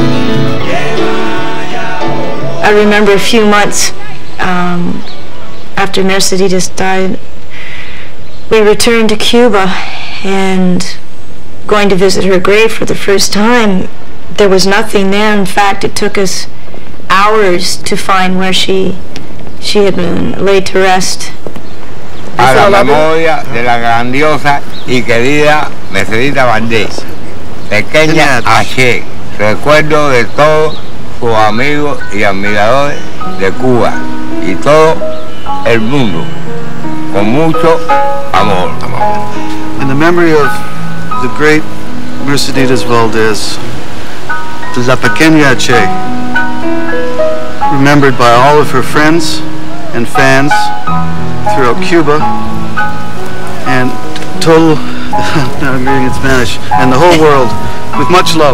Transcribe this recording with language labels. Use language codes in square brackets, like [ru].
[en] I remember a few months after Mercedes died, we returned to Cuba, and going to visit her grave for the first time, there was nothing there. In fact, it took us hours to find where she had been laid to rest. [es] A la memoria de la grandiosa y querida Mercedita Valdés. Pequeña Ache, recuerdo de todos sus amigos y admiradores de Cuba y todo el mundo. Con mucho amor. [en] In the memory of the great Mercedes Valdez, La Pequeña Che, remembered by all of her friends and fans throughout Cuba, and total, now I'm reading in Spanish, and the whole world, with much love.